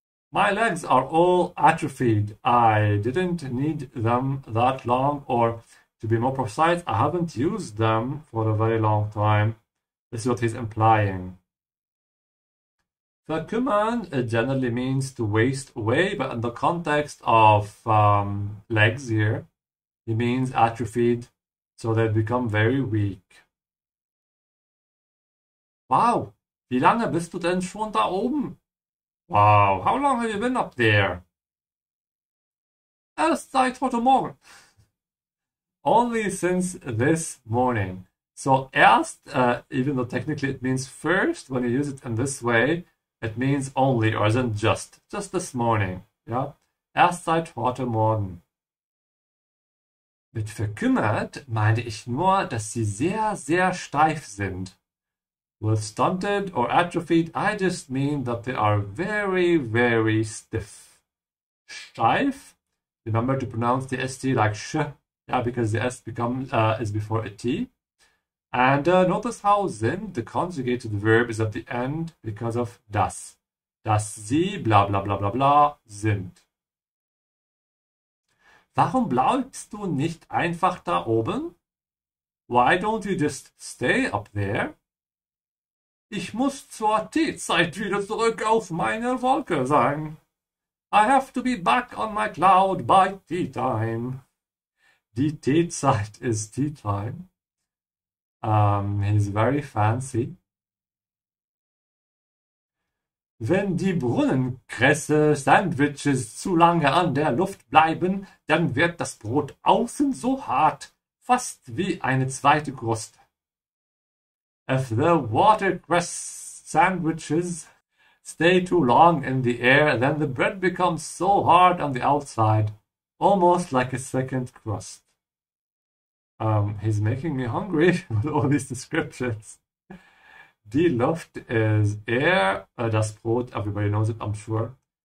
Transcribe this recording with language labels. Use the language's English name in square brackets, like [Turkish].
[English] My legs are all atrophied. I didn't need them that long, or to be more precise, I haven't used them for a very long time. This is what he's implying. Verkümmern generally means to waste away, but in the context of legs here, it means atrophied, so they become very weak. [German] Wow, wie lange bist du denn schon da oben? [English] Wow, how long have you been up there? [German] Erst seit heute Morgen. [English] Only since this morning. So erst, even though technically it means first, when you use it in this way, it means only, or isn't just. Just this morning. Yeah? [German] Erst seit heute Morgen. Mit verkümmert meinte ich nur, dass sie sehr, sehr steif sind. [English] With stunted or atrophied, I just mean that they are very, very stiff. Steif? Remember to pronounce the st like sh. Yeah, because the s is before a t. And notice how sind, the conjugated verb, is at the end because of das. [German] Das sie, bla bla bla bla bla, sind. Warum bleibst du nicht einfach da oben? [English] Why don't you just stay up there? [German] Ich muss zur Teezeit wieder zurück auf meiner Wolke sein. [English] I have to be back on my cloud by tea time. Die Teezeit is tea time. He's very fancy. [German] Wenn die Brunnenkresse Sandwiches zu lange an der Luft bleiben, dann wird das Brot außen so hart, fast wie eine zweite Kruste. [English] If the watercress sandwiches stay too long in the air, then the bread becomes so hard on the outside, almost like a second crust. He's making me hungry with all these descriptions. Die Luft is air, das Brot, everybody knows it, I'm sure.